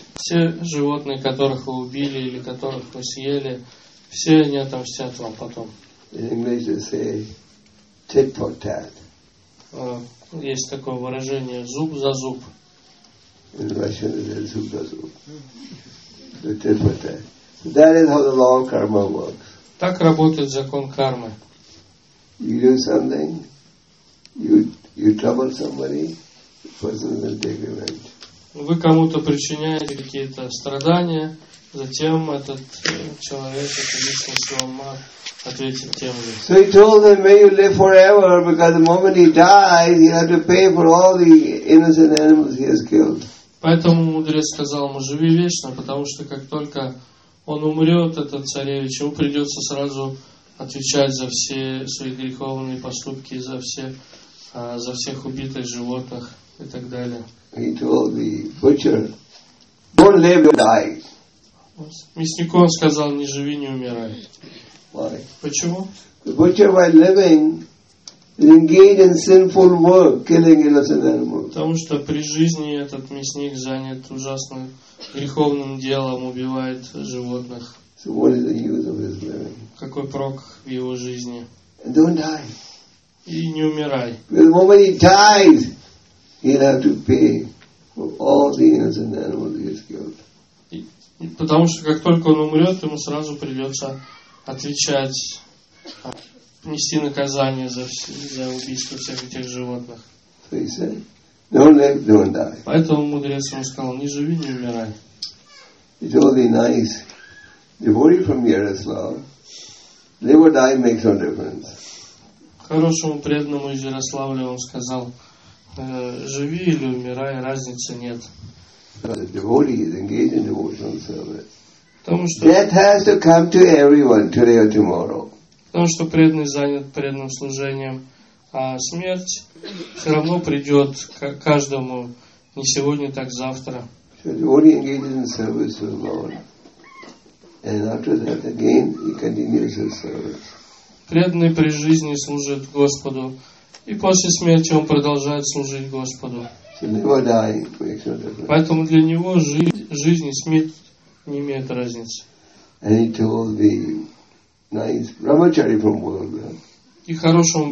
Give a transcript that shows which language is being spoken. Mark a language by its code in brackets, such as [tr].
[ru] Все животные, которых вы убили или которых вы съели, все они отомстят вам потом. [en] In English they say, tit for tat. [ru] Есть такое выражение зуб за зуб. [en] In Russian it is [ru] zub za zub. [en] The tit for tat. That is how the law of karma works. [ru] Так работает закон кармы. [en] You do something, you trouble somebody, the person will take revenge. [ru] Вы кому-то причиняете какие-то страдания, затем этот человек, эта личность вам ответит тем же. [en] So he told them, may you live forever, because the moment he dies, he had to pay for all the innocent animals he has killed. [ru] Поэтому мудрец сказал ему, живи вечно, потому что как только он умрет, этот царевич, ему придется сразу отвечать за все свои греховные поступки, за всех убитых животных и так далее. [en] He told the butcher, "Don't live or die." [ru] Мяснику он сказал, "Не живи, не умирай." [en] Why? [ru] Почему? [en] The butcher, while living, is engaged in sinful work, killing innocent animals. [ru] Потому что при жизни этот мясник занят ужасным греховным делом, убивает животных. [en] So what is the use of his living? [ru] Какой прок в его жизни? [en] And don't die. [ru] И не умирай. [en] The moment he dies, he'll have to pay for all the innocent animals he has killed. [ru] Потому что как только он умрет, ему сразу придется отвечать, нести наказание за убийство всех этих животных. [en] So he said, don't live, don't die. [ru] Поэтому мудрец ему сказал, не живи, не умирай. [en] It's all the nice devotee from Yaroslav. Live or die makes no difference. [ru] Хорошему преданному из Ярославля он сказал, живи или умирай, разницы нет. [en] The devotee is engaged in devotional service. Death has to come to everyone today or tomorrow. [ru] Потому что преданный занят преданным служением, а смерть все равно придет к каждому не сегодня, так завтра. [en] So devotee engages in service to the Lord, and after that again he continues his service. [ru] Преданный при жизни служит Господу. И после смерти он продолжает служить Господу. Поэтому для него жизнь и смерть не имеют разницы. И хорошему